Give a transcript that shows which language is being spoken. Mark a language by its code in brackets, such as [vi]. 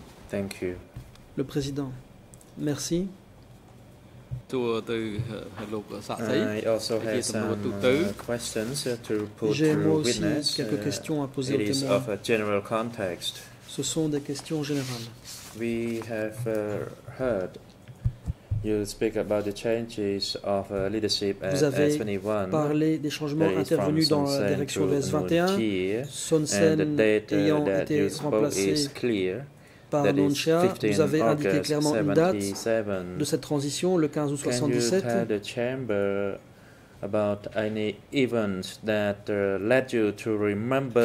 [en] Thank you. [fr] Le Président, merci. J'ai aussi quelques questions à poser au témoin. Ce sont des questions générales. [en] We have heard you speak about the changes of leadership at S21. [fr] Vous avez parlé des changements intervenus dans la direction de S21. Sonsen ayant été remplacé par Nunchia, vous avez indiqué clairement une date de cette transition, le 15 août 77. [en] Can you tell the chamber about any event that led you to remember